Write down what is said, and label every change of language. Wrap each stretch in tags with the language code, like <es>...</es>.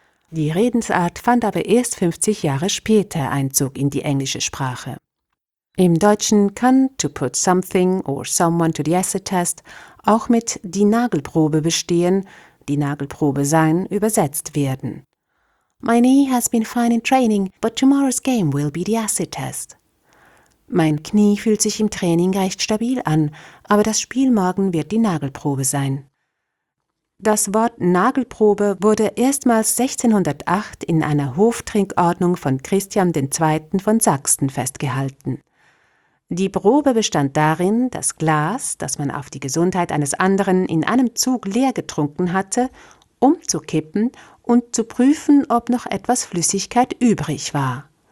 <de>Die Redensart fand aber erst 50 Jahre später Einzug in die englische Sprache. Im Deutschen kann</de> <en>to put something or someone to the acid test</en> <de>auch mit die Nagelprobe bestehen, die Nagelprobe sein, übersetzt werden.</de> <en>My knee has been fine in training, but tomorrow's game will be the acid test.</en> <de>Mein Knie fühlt sich im Training recht stabil an, aber das Spiel morgen wird die Nagelprobe sein. Das Wort Nagelprobe wurde erstmals 1608 in einer Hoftrinkordnung von Christian II. Von Sachsen festgehalten. Die Probe bestand darin, das Glas, das man auf die Gesundheit eines anderen in einem Zug leer getrunken hatte, umzukippen und zu prüfen, ob noch etwas Flüssigkeit übrig war.</de>